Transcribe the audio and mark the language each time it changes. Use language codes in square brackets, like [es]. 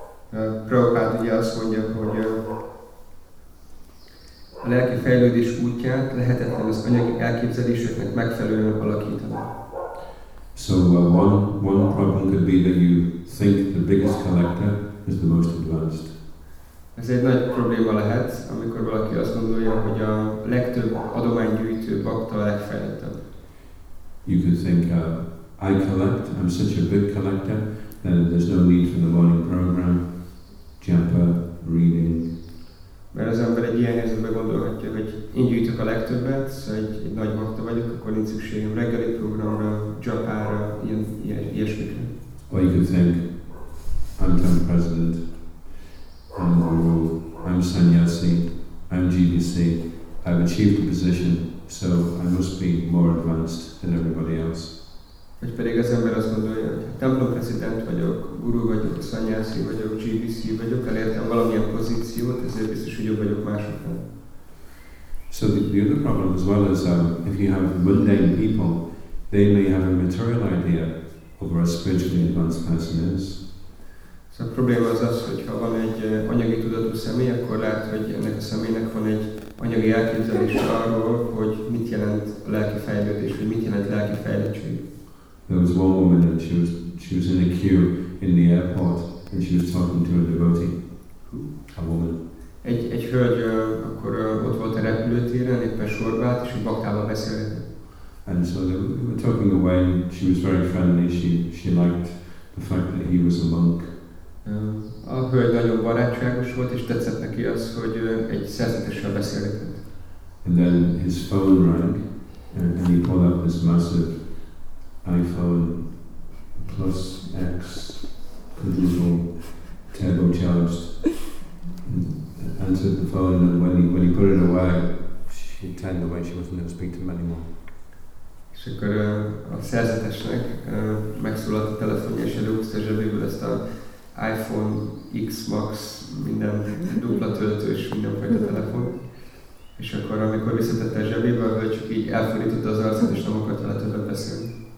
[hu] Prabhupada ugye azt mondja, hogy a lelki fejlődés útját lehetetlen az anyagi elképzeléseknek megfelelően alakítani. [en] So one problem could be that you think the biggest collector is the most advanced. [hu] Ez egy nagy probléma lehet, amikor valaki azt gondolja, hogy a legtöbb adománygyűjtő bakta a legfejlettebb. [en] You could think, I collect, I'm such a big collector, that there's no need for the morning program, japa, reading. [hu] Mert az ember egy ilyen helyzetben gondolhatja, hogy én gyűjtök a legtöbbet, szóval egy nagy bakta vagyok, akkor nincs szükségem reggeli programra, japára, ilyesmikre. [en] Or you could think, I'm town president, I'm guru, I'm sannyasi, I'm GBC, I've achieved a position, so I must be more advanced than everybody else. [hu] Vagy pedig az ember azt gondolja, hogy templomprezident vagyok, guru vagyok, szanyászi vagyok, GBC vagyok, elértem valamilyen pozíciót, ezért biztos, hogy jobb vagyok másoknál. [en] So the other problem as well is if you have mundane people, they may have a material idea of where a spiritually advanced person is. So the problem is that if you have a material person, then you see that this person has a [hu] anyagi elképzelés arról, hogy mit jelent a lelki fejlődés, hogy mit jelent lelki fejlettség. [en] There was one woman and she was in a queue in the airport and she was talking to a devotee. A woman. [hu] Egy hölgy akkor ott volt a repülőtéren, éppen sorba állt, és egy baktával beszélgetett. [en] And so they were talking away, she was very friendly, she liked the fact that he was a monk. [hu] A hölgy nagyon barátságos volt, és tetszett neki az, hogy egy szerzetessel beszélgetett. [en] And then his phone rang, and he pulled out this massive iPhone plus X, digital, turbocharged, answered the phone, and when he put it away, she turned away, she wasn't going to speak to him anymore. [hu] És akkor a szerzetesnek megszólalt a telefonja, és előhúzta a zsebéből ezt a iPhone, X Max, minden dupla töltő és mindenfajta telefon. És akkor, amikor visszatette a zsebéből, hogy csak így elfordította az arcát, és nem akart vele többet beszélni.